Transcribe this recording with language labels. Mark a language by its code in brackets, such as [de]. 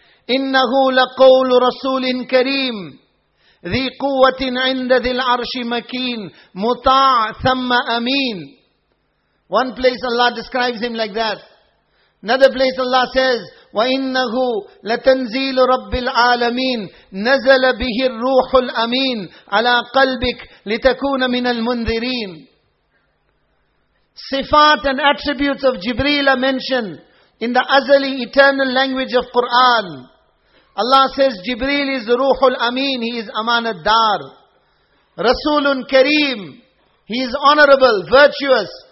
[ar] إنه لقول رسول كريم ذي قوة عند ذي العرش مكين مطاع ثم أمين. [en] One place Allah describes him like that. Another place Allah says, وإنه لتنزيل رب العالمين نزل به الروح الأمين على قلبك لتكون من المنذرين. Sifat and attributes of Jibreel are mentioned in the azali eternal language of Quran. Allah says Jibreel is Ruhul Amin, he is Amanat Dar. Rasulun Kareem, he is honorable, virtuous.